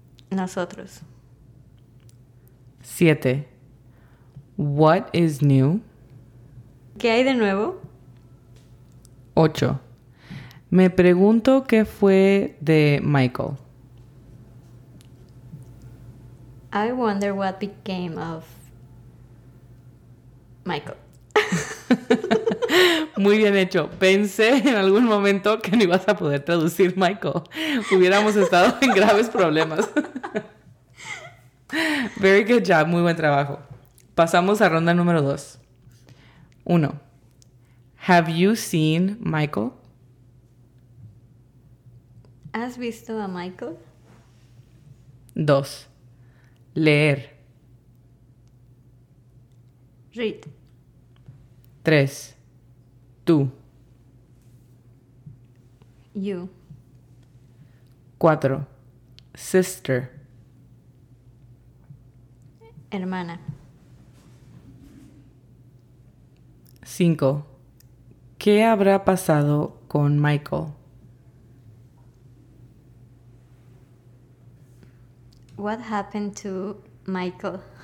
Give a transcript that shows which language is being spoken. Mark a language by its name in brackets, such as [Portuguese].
[Spanish] Nosotros. [English] 7. What is new? [Spanish] ¿Qué hay de nuevo? 8. Me pregunto qué fue de Michael. [English] I wonder what became of Michael. [Spanish] Muy bien hecho. Pensé en algún momento que no ibas a poder traducir Michael. Hubiéramos estado en graves problemas. [English] Very good job, [Spanish] muy buen trabajo. Pasamos a ronda número 2. 1. [English] Have you seen Michael? [Spanish] ¿Has visto a Michael? 2. Leer. [English] Read. [Spanish] 3. Tú. [English] You. 4. Sister. [Spanish] Hermana. 5. ¿Qué habrá pasado con Michael? [English] What happened to Michael?